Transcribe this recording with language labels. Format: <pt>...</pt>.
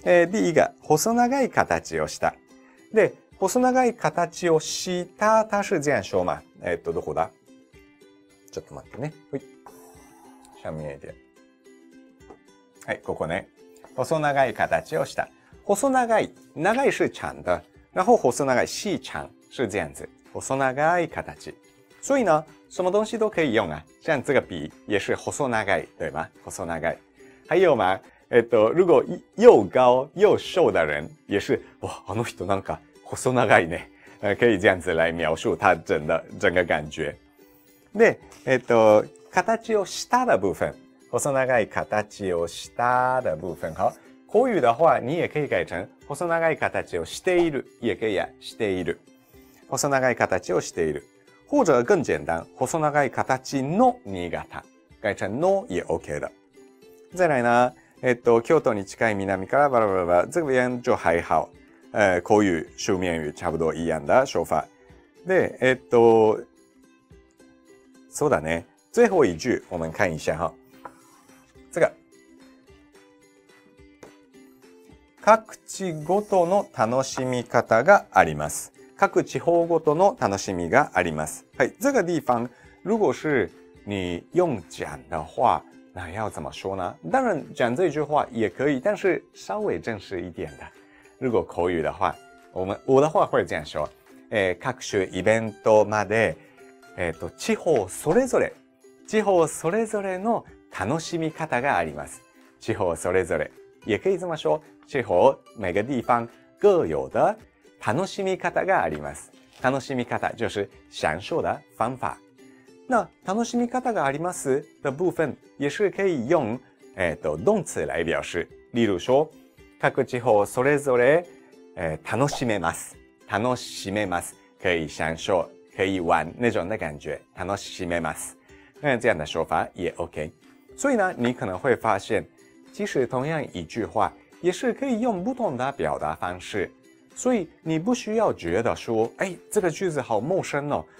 <zh>第一个，</zh> <ja>細長い形をした。で、細長い形をした，</ja> <zh>它是这样说嘛？</zh> <ja>どこだ？ちょっと待ってね。はい。下面一点。はい、ここね。細長い形をした。細長い、長いしちゃんだ。</ja> <zh>然后細長いしちゃん是这样子。細長い形。所以呢，什么东西都可以用啊。像这个笔也是細長い，对吗？細長い。还有吗？如果又高又瘦的人，也是哇，</zh> <ja>あの人なんか細長いね，</ja> <zh>可以这样子来描述他整个感觉。で、形をした的部分，細長い形をした的部分，好，口语的话你也可以改成</zh> <ja>細長い形をしている，</ja> <zh>也可以啊，している，細長い形をしている，或者更简单，細長い形の新潟，改成の也 OK 的。再来呢，</zh> <ja>京都に近い南からバラバラバラ、</ja> <zh>这边就还好。</zh> <ja>こういう書面語差不多一样的说法。で、そうだね。</ja> <zh>最后一句我们看一下哈。</zh> <ja>这个各地ごとの楽しみ方があります。各地方ごとの楽しみがあります。</ja> <zh>はい、这个地方如果是你用讲的话，那要怎么说呢？当然讲这句话也可以，但是稍微正式一点的。如果口语的话，我的话会这样说：</zh> <ja>各種イベントまで、地方それぞれ、地方それぞれの楽しみ方があります。地方それぞれ</ja> <zh>也可以这么说。</zh> <ja>地方</ja> <zh>每个地方各有的</zh> <ja>楽しみ方があります。</ja> <zh>楽しみ方就是享受的方法。那楽しみ方があります的部分也是可以用动词来表示。例如说，</zh> <ja>各地方それぞれ楽しめます。楽しめます</ja> <zh>可以享受，可以玩那种的感觉。楽しめます。那这样的说法也 OK。所以呢，你可能会发现，其实同样一句话。也是可以用不同的表达方式，所以你不需要觉得说，哎，这个句子好陌生哦。</zh>